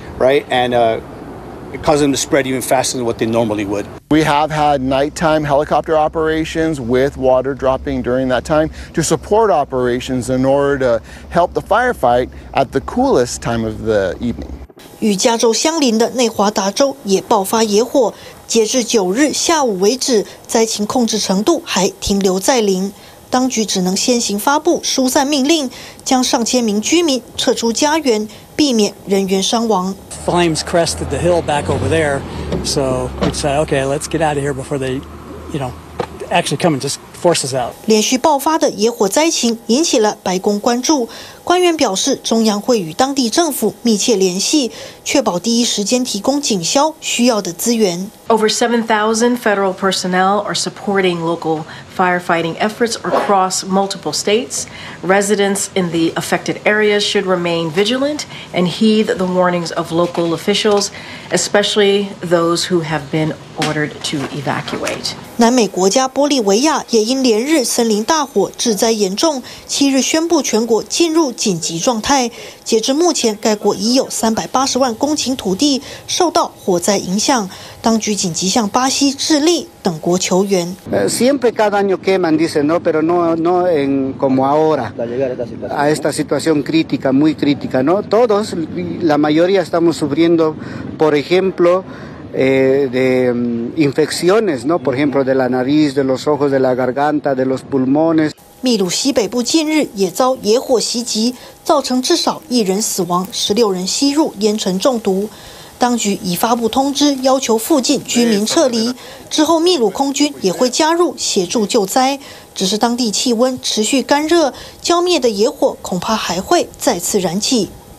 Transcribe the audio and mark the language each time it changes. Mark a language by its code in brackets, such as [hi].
[en] Right, and it causes them to spread even faster than what they normally would. We have had nighttime helicopter operations with water dropping during that time to support operations in order to help the firefight at the coolest time of the evening. [zh] 与加州相邻的内华达州也爆发野火，截至9日下午为止，灾情控制程度还停留在零。当局只能先行发布疏散命令，将上千名居民撤出家园，避免人员伤亡。 [en] Flames crested the hill back over there, so we said, "Okay, let's get out of here before they, you know, actually come and just force us out." [zh] 连续爆发的野火灾情引起了白宫关注。官员表示，中央会与当地政府密切联系，确保第一时间提供警消需要的资源。 [en] Over 7,000 federal personnel are supporting local firefighting efforts across multiple states. Residents in the affected areas should remain vigilant and heed the warnings of local officials, especially those who have been ordered to evacuate. [zh] 南美国家玻利维亚也因连日森林大火致灾严重，七日宣布全国进入紧急状态。截至目前，该国已有380万公顷土地受到火灾影响。当局紧急向巴西、智利等国求援。 [es] Siempre cada año queman, dicen, no, pero no, no en como ahora. A esta situación crítica, muy crítica, no. Todos, la mayoría estamos sufriendo, por ejemplo, de infecciones, no. Por ejemplo, de la nariz, de los ojos, de la garganta, de los pulmones. [zh] 秘鲁西北部近日也遭野火袭击，造成至少一人死亡，16人吸入烟尘中毒。当局已发布通知，要求附近居民撤离。之后，秘鲁空军也会加入协助救灾。只是当地气温持续干热，浇灭的野火恐怕还会再次燃起。